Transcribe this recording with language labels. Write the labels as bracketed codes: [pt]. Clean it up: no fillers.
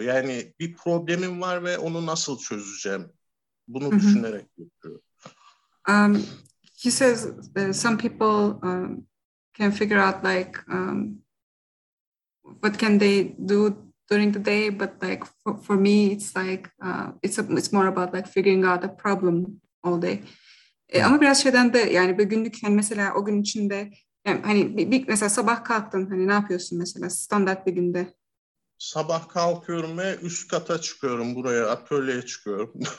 [tr] Yani bir problemim var ve onu nasıl çözeceğim? Bunu düşünerek geçiyor. [en] he says some people can figure out like what can they do during the day, but like for me, it's like it's more about like figuring out a problem all day. [tr] Ama biraz şeyden de yani bir günlük hani mesela o gün içinde yani hani bir mesela sabah kalktın hani ne yapıyorsun mesela standart bir günde? Sabah kalkıyorum ve üst kata çıkıyorum buraya atölyeye çıkıyorum.